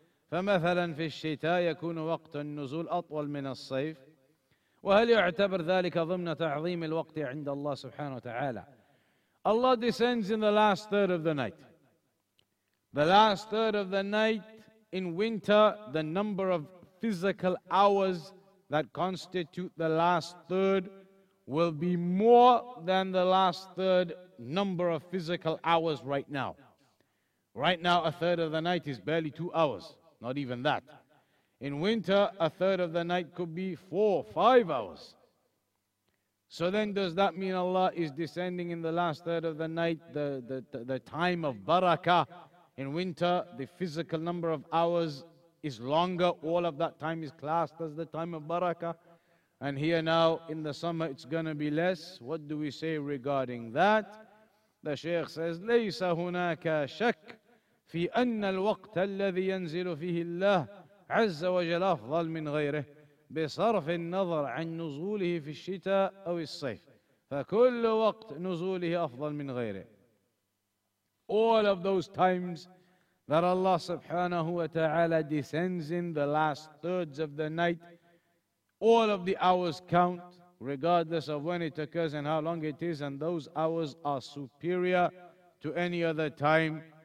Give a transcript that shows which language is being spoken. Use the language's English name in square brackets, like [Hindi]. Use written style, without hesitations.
[Arabic] فمثلا في الشتاء يكون وقت النزول أطول من الصيف وهل يعتبر ذلك ضمن تعظيم الوقت عند الله سبحانه وتعالى. [English] Allah descends in the last third of the night. The last third of the night in winter, the number of physical hours that constitute the last third will be more than the last third number of physical hours right now. Right now a third of the night is barely 2 hours. Not even that. In winter, a third of the night could be 4-5 hours. So then does that mean Allah is descending in the last third of the night, the time of barakah? In winter, the physical number of hours is longer. All of that time is classed as the time of barakah. And here now, in the summer, it's going to be less. What do we say regarding that? The Shaykh says, [Arabic] لَيْسَ هُنَاكَ شَكْ في أن الوقت الذي ينزل فيه الله عز وجل أفضل من غيره بصرف النظر عن نزوله في الشتاء أو الصيف فكل وقت نزوله أفضل من غيره. [English] All of those times that Allah سبحانه وتعالى descends in the last thirds of the night, all of the hours count, regardless of when it occurs and how long it is, and those hours are superior to any other time.